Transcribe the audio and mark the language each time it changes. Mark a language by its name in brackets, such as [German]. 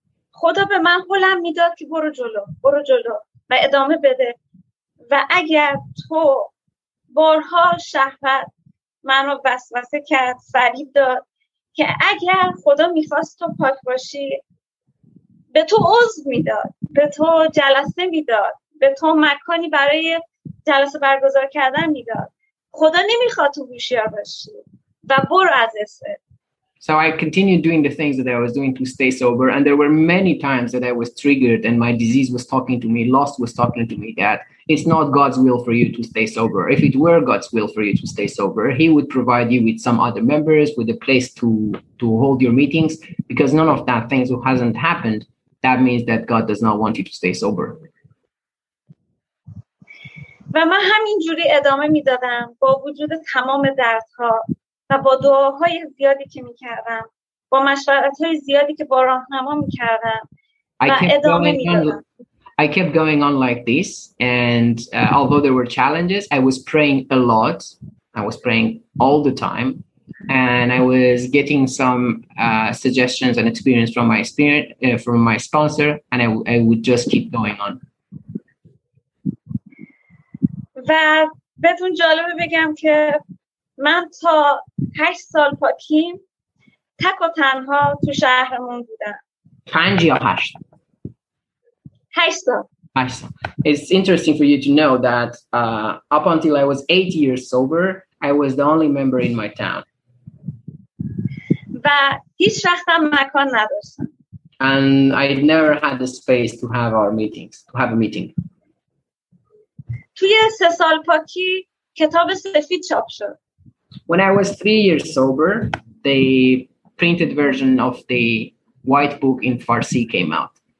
[Persian] خدا به من حلم میداد که برو جلو، برو جلو و ادامه بده و اگر تو بارها شهوت منو وسوسه کرد، فریب داد که اگر خدا میخواست تو پاک باشی به تو عضو میداد، به تو جلسه میداد، به تو مکانی برای جلسه برگزار کردن میداد. خدا نمیخواد تو هوشیار باشی و برو از اسه. [English] So I continued doing the things that I was doing to stay sober. And there were many times that I was triggered and my disease was talking to me, lust was talking to me that it's not God's will for you to stay sober. If it were God's will for you to stay sober, he would provide you with some other members, with a place to hold your meetings, because none of that things hasn't happened. That means that God does not want you to stay sober. [Persian] و من همینجوری ادامه میدادم با وجود تمام دردها و با دعاهای زیادی که میکردم، با مشورتهای زیادی که با راهنما میکردم و ادامه میدادم. [English] I kept going on like this, and although there were challenges, I was praying a lot. I was praying all the time, and I was getting some suggestions and experience from my spirit, from my sponsor, and I would just keep going on. [Persian] و بهتون جالبه بگم که من تا 8 سال پاکیم تک و تنها تو شهرمون بودم. 5 یا 8؟ 8 سال. 8 سال. [English] It's interesting for you to know that up until I was 8 years sober, I was the only member in my town. [Persian] و هیچ وقت هم مکان نداشتم. [English] And I never had the space to have our meetings, to have a meeting. [Persian] توی 3 سال پاکی کتاب سفید چاپ شد. [English] When I was 3 years sober, the printed version of the white book in Farsi came out.